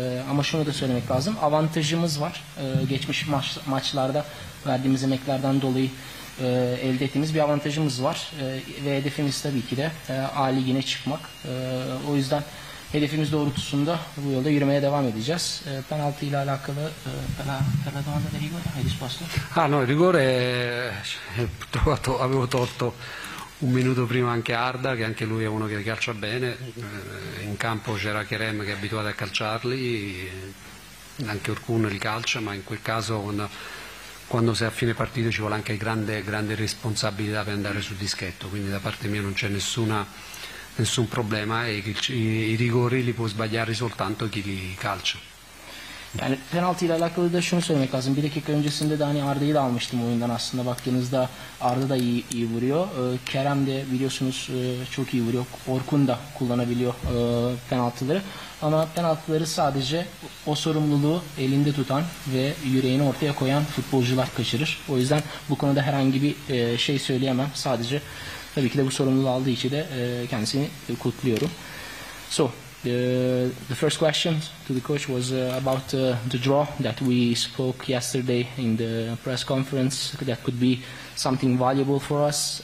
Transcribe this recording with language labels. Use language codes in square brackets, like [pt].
[tr] Ama şunu da söylemek lazım. Avantajımız var. Geçmiş maçlarda verdiğimiz emeklerden dolayı elde ettiğimiz bir avantajımız var ve hedefimiz tabii ki de A Ligi'ne çıkmak. O yüzden hedefimiz doğrultusunda bu yolda yürümeye devam edeceğiz. Penaltı ile alakalı [it] per la domanda del rigore, hai risposto? Ah no, il rigore trovato, avevo tolto un minuto prima anche Arda, che anche lui è uno che calcia bene. In campo c'era Kerem, che è abituato a calciarli, anche Urcun li calcia, ma in quel caso quando sei a fine partito ci vuole anche grande responsabilità per andare sul dischetto, quindi da parte mia non c'è nessun problema e i rigori li può sbagliare soltanto chi li calcia. [tr] Yani penaltı ile alakalı da şunu söylemek lazım. Bir dakika öncesinde de hani Arda'yı da almıştım oyundan aslında. Baktığınızda Arda da iyi vuruyor. Kerem de biliyorsunuz çok iyi vuruyor. Orkun da kullanabiliyor penaltıları. Ama penaltıları sadece o sorumluluğu elinde tutan ve yüreğini ortaya koyan futbolcular kaçırır. O yüzden bu konuda herhangi bir şey söyleyemem. Sadece tabii ki de bu sorumluluğu aldığı için de kendisini kutluyorum. [en] So. The first question to the coach was about the draw that we spoke yesterday in the press conference, that could be something valuable for us.